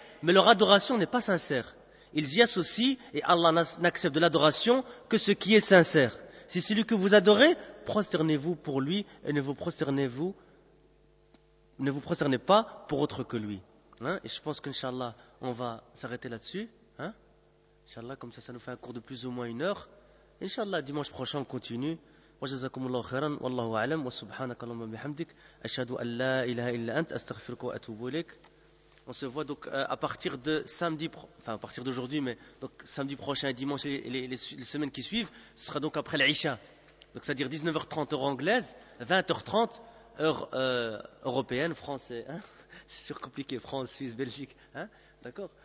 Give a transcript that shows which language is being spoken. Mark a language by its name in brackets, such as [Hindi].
[French] Mais leur adoration n'est pas sincère. Ils y associent et Allah n'accepte de l'adoration que ce qui est sincère. Si celui que vous adorez, prosternez-vous pour lui et ne vous prosternez-vous ne vous prosternez pas pour autre que lui. Hein? Et je pense qu'Inch'Allah, on va s'arrêter là-dessus. Hein? Inch'Allah, comme ça, ça nous fait un cours de plus ou moins une heure. Inch'Allah, dimanche prochain, on continue. [Arabic] وجزاكم الله خيرا والله اعلم وسبحانك اللهم وبحمدك اشهد ان لا اله الا انت استغفرك واتوب اليك. [French] On se voit donc à partir de samedi, enfin à partir d'aujourd'hui, mais donc samedi prochain et dimanche et les semaines qui suivent, ce sera donc après l'Isha, donc c'est à dire 19h30 heure anglaise, 20h30 heure européenne, français, hein, c'est sûr compliqué, France, Suisse, Belgique, hein, d'accord.